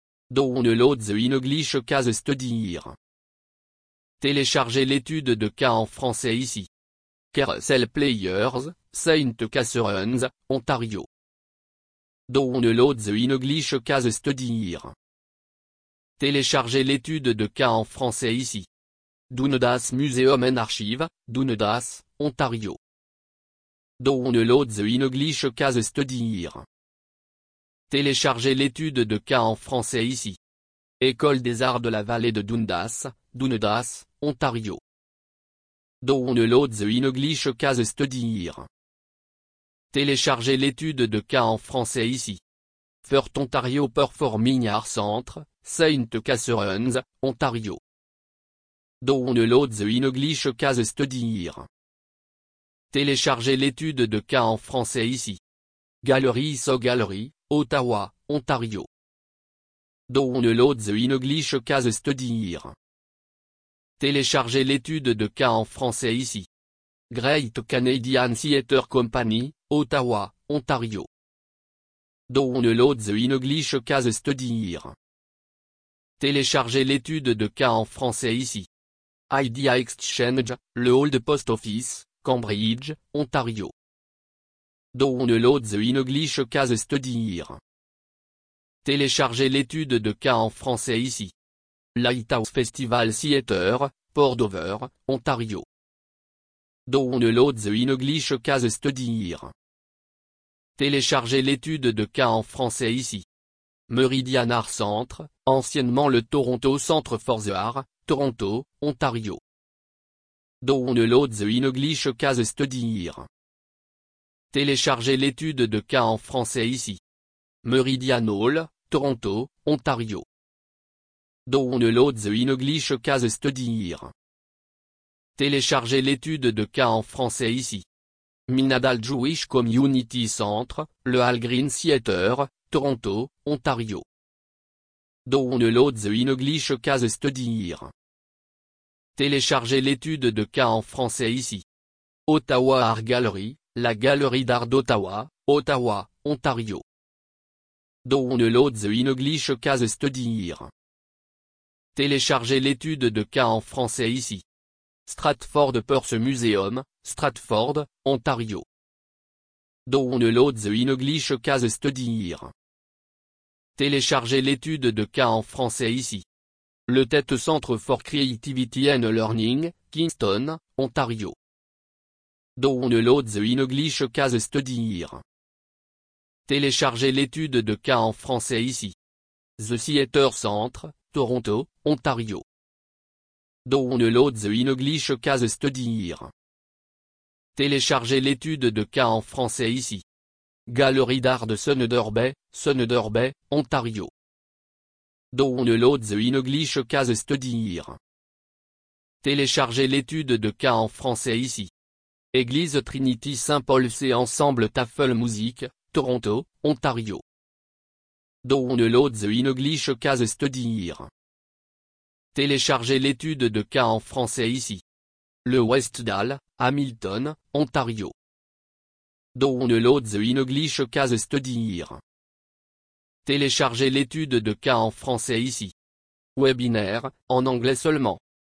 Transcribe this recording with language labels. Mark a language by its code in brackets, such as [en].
[en] Download the English Case Study here. [fr] Téléchargez l'étude de cas en français ici. [en] Carousel Players, St. Catharines, Ontario. Download the English Case Study here. [fr] Téléchargez l'étude de cas en français ici. [en] Dundas Museum and Archives, Dundas, Ontario. Download the English Case Study here. [fr] Téléchargez l'étude de cas en français ici. École des arts de la vallée de Dundas, Dundas, Ontario. [en] Download the English Case Study here. [fr] Téléchargez l'étude de cas en français ici. [en] First Ontario Performing Arts Centre, St. Catharines, Ontario. Download the English case study here. [fr] Téléchargez l'étude de cas en français ici. [en] Gallery So Gallery, Ottawa, Ontario. Download the English case study here. [fr] Téléchargez l'étude de cas en français ici. [en] Great Canadian Theatre Company, Ottawa, Ontario. Download the English case study here. [fr] Téléchargez l'étude de cas en français ici. [en] Idea Exchange, le Hall de Post Office, Cambridge, Ontario. Download the English case study here. [fr] Téléchargez l'étude de cas en français ici. [en] Lighthouse Festival Theatre, Port Dover, Ontario. Download the English case study here. [fr] Téléchargez l'étude de cas en français ici. [en] Meridian Art Centre, anciennement le Toronto Centre for the Art, Toronto, Ontario. Download the English case study here. [fr] Téléchargez l'étude de cas en français ici. [en] Meridian Hall, Toronto, Ontario. Download the English case study here. [fr] Téléchargez l'étude de cas en français ici. [en] Minadal Jewish Community Centre, le Hall Green Theatre, Toronto, Ontario. Download the English case study here. [fr] Téléchargez l'étude de cas en français ici. [en] Ottawa Art Gallery, la Galerie d'Art d'Ottawa, Ottawa, Ontario. Download the English case study here. [fr] Téléchargez l'étude de cas en français ici. [en] Stratford Perse Museum, Stratford, Ontario. Download the English case study here. [fr] Téléchargez l'étude de cas en français ici. [en] Le TET Centre for Creativity and Learning, Kingston, Ontario. Download the English case study here. [fr] Téléchargez l'étude de cas en français ici. [en] The Theatre Centre, Toronto, Ontario. Download the English case study here. [fr] Téléchargez l'étude de cas en français ici. Galerie d'art de Thunder Bay, Thunder Bay, Ontario. [en] Download the English case study here. [fr] Téléchargez l'étude de cas en français ici. Église Trinity Saint-Paul C Ensemble Tafel Music, Toronto, Ontario. [en] Download the English case study here. [fr] Téléchargez l'étude de cas en français ici. [en] Le Westdale, Hamilton, Ontario. Download the English case study here. [fr] Téléchargez l'étude de cas en français ici. Webinaire, en anglais seulement.